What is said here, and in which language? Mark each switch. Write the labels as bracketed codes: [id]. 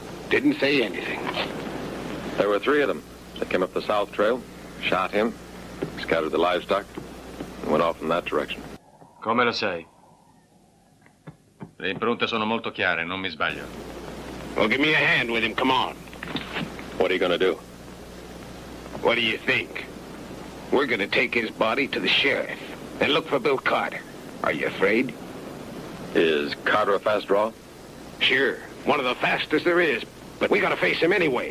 [en] didn't say anything. There were three of them. They came up the South Trail, shot him, scattered the livestock, and went off in that direction. [it] Come lo sai? Le impronte sono molto chiare, non mi sbaglio. [en] Well, give me a hand with him, come on. What are you going to do? What do you think? We're going to take his body to the sheriff and look for Bill Carter. Are you afraid? Is Carter a fast draw? Sure, one of the fastest there is, but we got to face him anyway.